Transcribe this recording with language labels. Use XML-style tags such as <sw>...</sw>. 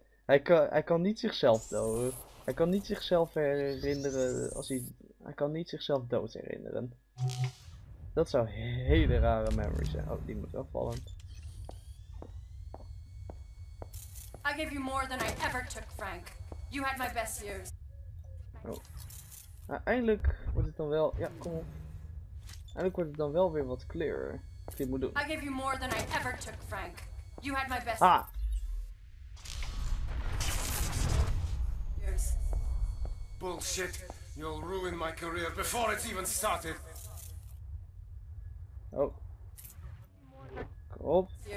<nl>Hij kan niet zichzelf doden. Hij kan niet zichzelf herinneren als hij. Hij kan niet zichzelf dood herinneren. Dat zou hele rare memories zijn. Oh, die moet wel vallen.</nl> <en>I gave you more than I ever took, Frank. You had my best years. Oh.</en> <nl>Nou, eindelijk wordt het dan wel. Ja, kom op. Eindelijk wordt het dan wel weer wat clearer. Wat ik moet doen.</nl> <en>I gave you more than I ever took, Frank. You had my best. Ah. Bullshit. You'll ruin my career before it's even started. Oh. Cool.</en>